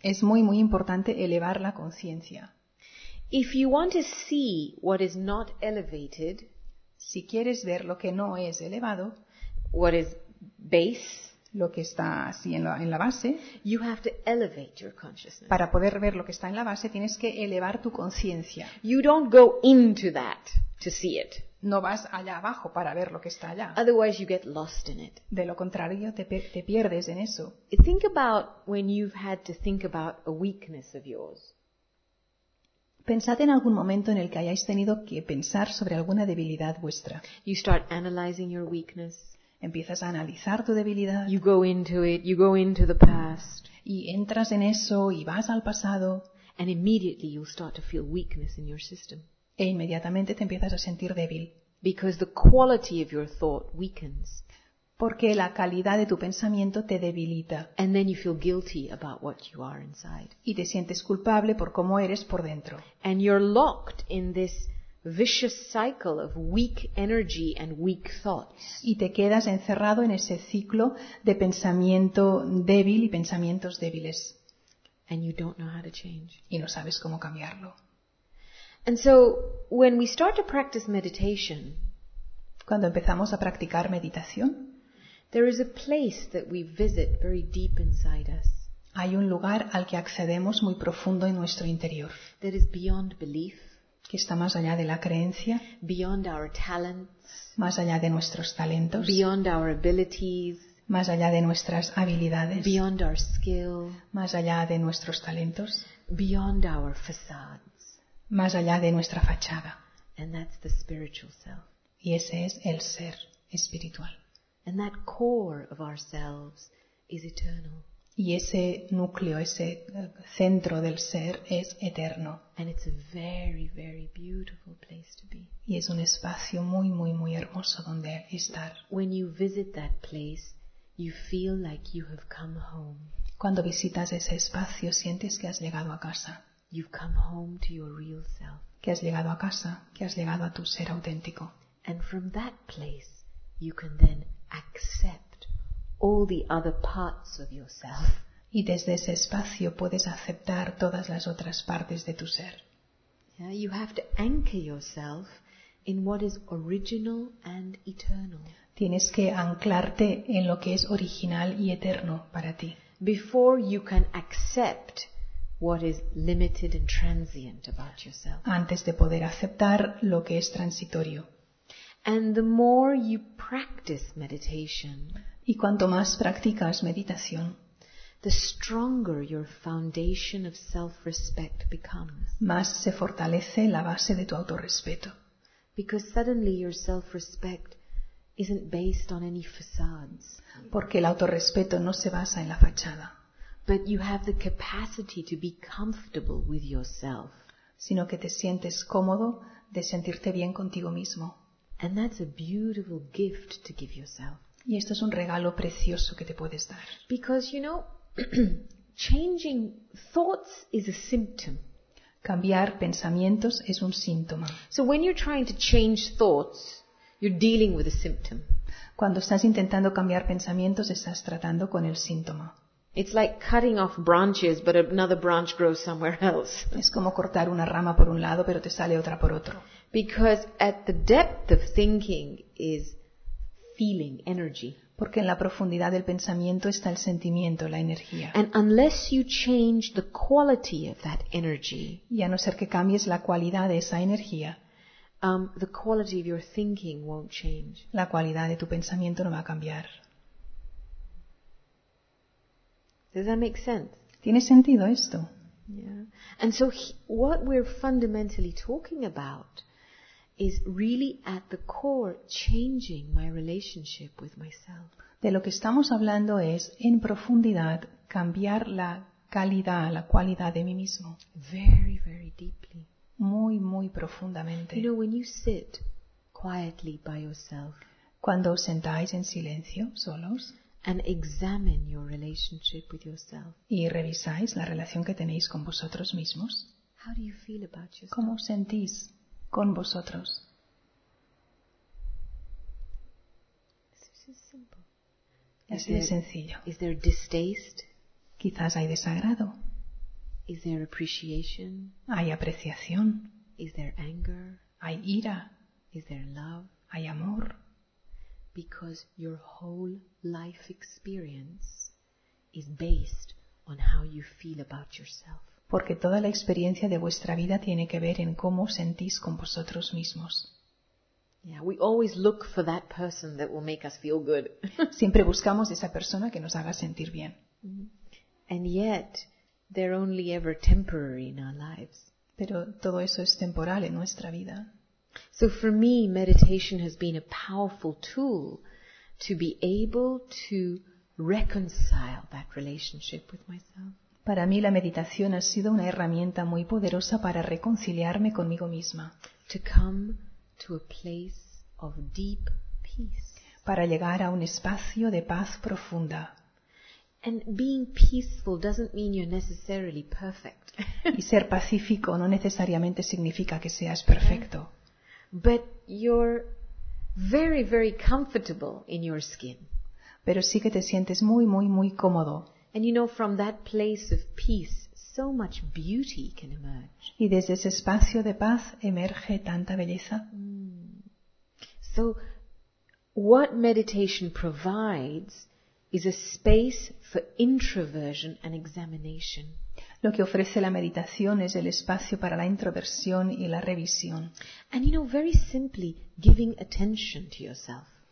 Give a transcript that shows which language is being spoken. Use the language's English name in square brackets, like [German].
[Spanish] Es muy muy importante elevar la conciencia. [English] If you want to see what is not elevated, [Spanish] si quieres ver lo que no es elevado, [English] what is base, [Spanish] lo que está así en la base, [English] you have to elevate your consciousness. [Spanish] Para poder ver lo que está en la base, tienes que elevar tu conciencia. [English] You don't go into that to see it. [Spanish] No vas allá abajo para ver lo que está allá. [English] Otherwise you get lost in it. [Spanish] De lo contrario, te pierdes en eso. [English] Think about when you've had to think about a weakness of yours. [Spanish] Pensad en algún momento en el que hayáis tenido que pensar sobre alguna debilidad vuestra. [English] You start analyzing your weakness. [Spanish] Empiezas a analizar tu debilidad. [English] You go into it, you go into the past. [Spanish] Y entras en eso y vas al pasado. [English] And immediately you start to feel weakness in your system. [Spanish] E inmediatamente te empiezas a sentir débil. [English] Because the quality of your thought weakens. [Spanish] Porque la calidad de tu pensamiento te debilita. [English] And then you feel guilty about what you are inside. [Spanish] Y te sientes culpable por cómo eres por dentro. [English] And you're locked in this vicious cycle of weak energy and weak thoughts. [Spanish] Y te quedas encerrado en ese ciclo de pensamiento débil y pensamientos débiles. [English] And you don't know how to change. [Spanish] Y no sabes cómo cambiarlo. [English] And so when we start to practice meditation, [Spanish] cuando empezamos a practicar meditación, [English] there is a place that we visit very deep inside us. [Spanish] Hay un lugar al que accedemos muy profundo en nuestro interior. [English] That is beyond belief. [Spanish] Que está más allá de la creencia. [English] Beyond our talents. [Spanish] Más allá de nuestros talentos. [English] Beyond our abilities. [Spanish] Más allá de nuestras habilidades. [English] Beyond our skill. [Spanish] Más allá de nuestros talentos. [English] Beyond our facades. [Spanish] Más allá de nuestra fachada. [English] And that's the spiritual self. [Spanish] Y ese es el ser espiritual. [English] And that core of ourselves is eternal. [Spanish] Y ese núcleo, ese centro del ser es eterno. [English] And it's a very, very beautiful place to be. [Spanish] Y es un espacio muy, muy, muy hermoso donde estar. [English] When you visit that place, you feel like you have come home. [Spanish] Cuando visitas ese espacio, sientes que has llegado a casa. [English] You've come home to your real self. [Spanish] Que has llegado a casa, que has llegado a tu ser auténtico. [English] And from that place, you can then accept all the other parts of yourself. [Spanish] Y desde ese espacio puedes aceptar todas las otras partes de tu ser. [English] Yeah, you have to anchor yourself in what is original and eternal. [Spanish] Tienes que anclarte en lo que es original y eterno para ti. [English] Before you can accept what is limited and transient about yourself. [Spanish] Antes de poder aceptar lo que es transitorio. [English] And the more you practice meditation, [Spanish] y cuanto más practicas meditación, [English] the stronger your foundation of self-respect becomes. [Spanish] Más se fortalece la base de tu autorrespeto. [English] Because suddenly your self-respect isn't based on any facades. [Spanish] Porque el autorrespeto no se basa en la fachada. [English] But you have the capacity to be comfortable with yourself. [Spanish] Sino que te sientes cómodo de sentirte bien contigo mismo. [English] And that's a beautiful gift to give yourself. [Spanish] Y esto es un regalo precioso que te puedes dar. [English] Because you know, changing thoughts is a symptom. [Spanish] Cambiar pensamientos es un síntoma. [English] So when you're trying to change thoughts, you're dealing with a symptom. [Spanish] Cuando estás intentando cambiar pensamientos, estás tratando con el síntoma. [English] It's like cutting off branches, but another branch grows somewhere else. [Spanish] Es como cortar una rama por un lado, pero te sale otra por otro. [English] Because at the depth of thinking is feeling, energy. [Spanish] Porque en la profundidad del pensamiento está el sentimiento, la energía. [English] And unless you change the quality of that energy, [Spanish] y a no ser que cambies la cualidad de esa energía, [English] the quality of your thinking won't change. [Spanish] La cualidad de tu pensamiento no va a cambiar. [English] Does that make sense? [Spanish] ¿Tiene sentido esto? [English] Yeah. And so what we're fundamentally talking about is really at the core changing my relationship with myself. [Spanish] De lo que estamos hablando es en profundidad cambiar la calidad, la cualidad de mí mismo. [English] Very, very deeply. [Spanish] Muy, muy profundamente. [English] You know, when you sit quietly by yourself. [Spanish] Cuando os sentáis en silencio, solos. [English] And examine your relationship with yourself. [Spanish] Y revisáis la relación que tenéis con vosotros mismos. [English] How do you feel about yourself? [Spanish] ¿Cómo os sentís con vosotros? [English] This is simple. [Spanish] Así de sencillo. [English] Is there distaste? [Spanish] Quizás hay desagrado. [English] Is there appreciation? [Spanish] Hay apreciación. [English] Is there anger? [Spanish] Hay ira. [English] Is there love? [Spanish] Hay amor. [English] Because your whole life experience is based on how you feel about yourself. [Spanish] Porque toda la experiencia de vuestra vida tiene que ver en cómo sentís con vosotros mismos. [English] Yeah, we always look for that person that will make us feel good. [Spanish] Siempre buscamos esa persona que nos haga sentir bien. [English] And yet, they're only ever temporary in our lives. [Spanish] Pero todo eso es temporal en nuestra vida. [English] So for me, meditation has been a powerful tool to be able to reconcile that relationship with myself. [Spanish] Para mí la meditación ha sido una herramienta muy poderosa para reconciliarme conmigo misma. [English] To come to a place of deep peace. [Spanish] para llegar a un espacio de paz profunda. [English] And being peaceful doesn't mean you're necessarily perfect. [Spanish] Y ser pacífico no necesariamente significa que seas perfecto. [English] But you're very, very comfortable in your skin. [Spanish] Pero sí que te sientes muy, muy, muy cómodo. [English] And you know, from that place of peace, so much beauty can emerge. [Spanish] Y desde ese espacio de paz emerge tanta belleza. [English] So, what meditation provides is a space for introversion and examination. [Spanish] Lo que ofrece la meditación es el espacio para la introversión y la revisión. [English] And you know, very simply, giving attention to yourself.